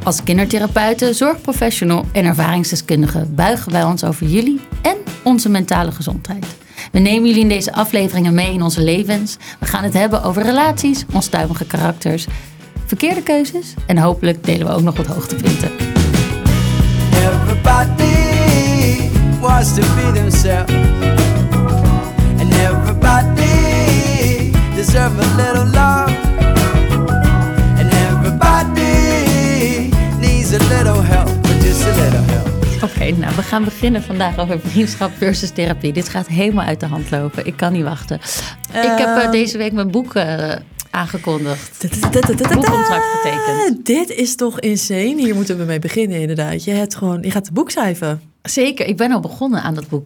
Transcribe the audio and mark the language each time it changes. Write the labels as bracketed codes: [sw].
[nl] Als kindertherapeuten, zorgprofessional en ervaringsdeskundige buigen wij ons over jullie en onze mentale gezondheid. We nemen jullie in deze afleveringen mee in onze levens. We gaan het hebben over relaties, onstuimige karakters, verkeerde keuzes en hopelijk delen we ook nog wat hoogtepunten. [en] Everybody wants to be themselves. And everybody deserves a little love. And everybody needs a little help, just a little help. [nl] Oké, nou, we gaan beginnen vandaag over vriendschap versus therapie. Dit gaat helemaal uit de hand lopen. Ik kan niet wachten. Ik heb deze week mijn boek aangekondigd. Boekcontract getekend. Dit is toch insane. Hier moeten we mee beginnen inderdaad. Je gaat het boek schrijven. Zeker, ik ben al begonnen aan dat boek.